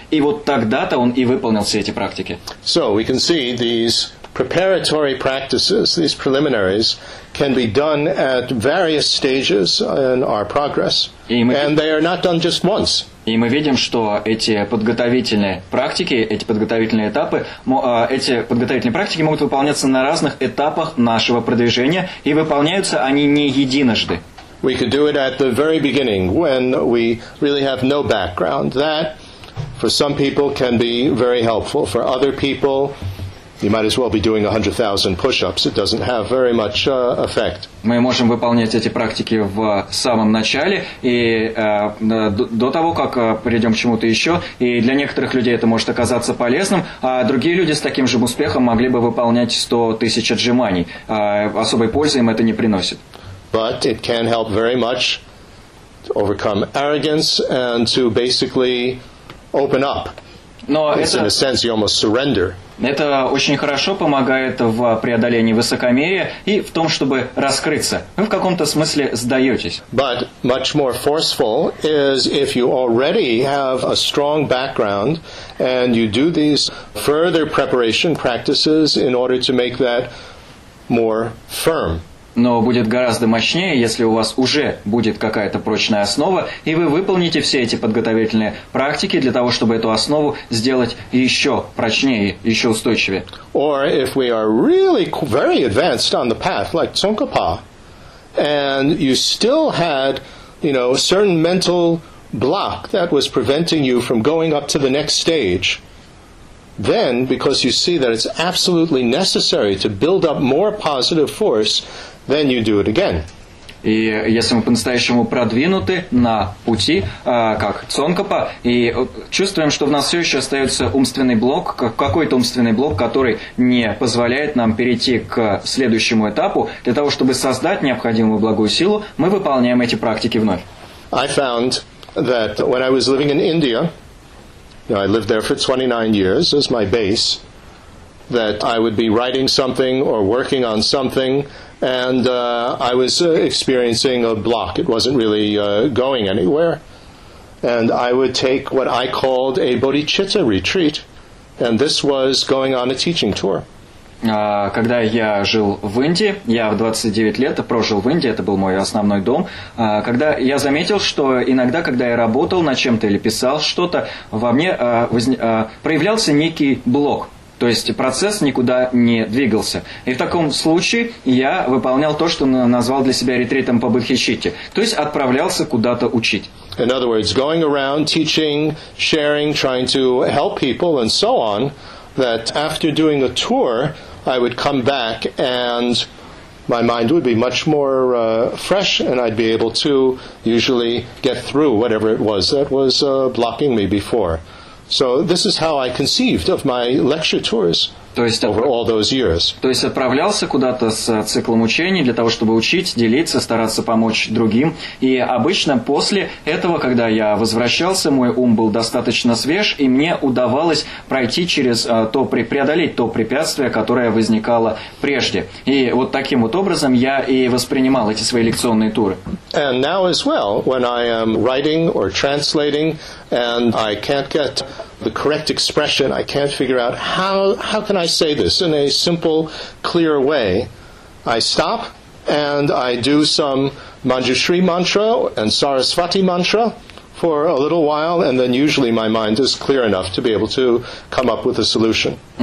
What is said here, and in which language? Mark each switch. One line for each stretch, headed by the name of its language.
Russian: И вот тогда-то он и выполнил все эти практики.
English: So we can see these preparatory practices, these preliminaries, can be done at various stages in our progress, and they are not done just once.
Russian: И мы видим, что эти подготовительные практики, эти подготовительные этапы, эти подготовительные практики могут выполняться на разных этапах нашего продвижения, и выполняются они не единожды.
English: We could do it at the very beginning, when we really have no background. That, for some people, can be very helpful. For other people, you might as well be doing 100,000 push-ups. It doesn't have very much effect.
Russian: Мы можем выполнять эти практики в самом начале и до того, как перейдем к чему-то еще. И для некоторых людей это может оказаться полезным, а другие люди с таким же успехом могли бы выполнять 100,000 отжиманий. Особой пользы им это не приносит.
English: But it can help very much to overcome arrogance and to basically open up. In a sense, you almost surrender.
Russian: Это очень хорошо помогает в преодолении высокомерия и в том, чтобы раскрыться. Вы в каком-то смысле сдаетесь.
English: But much more forceful is if you already have a strong background and you do these further preparation practices in order to make that more firm.
Russian: Но будет гораздо мощнее, если у вас уже будет какая-то прочная основа, и вы выполните все эти подготовительные практики для того, чтобы эту основу сделать еще прочнее, еще устойчивее.
English: Or if we are really very advanced on the path, like Tsongkhapa, and you still had, you know, a certain mental block that was preventing you from going up to the next stage, then, because you see that it's absolutely necessary to build up more positive force, then you do it again.
Russian: И если мы по-настоящему продвинуты на пути, как Цонкопа, и чувствуем, что в нас все еще остается умственный блок, какой-то умственный блок, который не позволяет нам перейти к следующему этапу, для того, чтобы создать необходимую благую силу, мы выполняем эти практики вновь.
English: I found that when I was living in India, you know, I lived there for 29 years as my base, that I would be writing something or working on something, and I was experiencing a block. It wasn't really going anywhere. And I would take what I called a bodhicitta retreat, and this was going on a teaching tour.
Russian: Когда я жил в Индии, я в 29 лет прожил в Индии, это был мой основной дом, когда я заметил, что иногда, когда я работал над чем-то или писал что-то, во мне проявлялся некий блок. То есть процесс никуда не двигался. И в таком случае я выполнял то, что назвал для себя ретритом по бодхичитте. То есть отправлялся куда-то учить.
English: In other words, going around, teaching, sharing, trying to help people and so on, that after doing a tour, I would come back and my mind would be much more fresh and I'd be able to usually get through whatever it was that was blocking me before. So this is how I conceived of my lecture tours over all those years.
Russian: То есть отправлялся куда-то с циклом учений для того, чтобы учить, делиться, стараться помочь другим. И обычно после этого, когда я возвращался, мой ум был достаточно свеж, и мне удавалось пройти через то, преодолеть то препятствие, которое возникало прежде. И вот таким вот образом я и воспринимал эти свои лекционные туры.
English: And now as well, when I am writing or translating, and I can't get the correct expression, I can't figure out how can I say this in a simple, clear way, I stop and I do some Manjushri mantra and Sarasvati mantra for a little while, and then usually my mind is clear enough to be able to come up with a solution.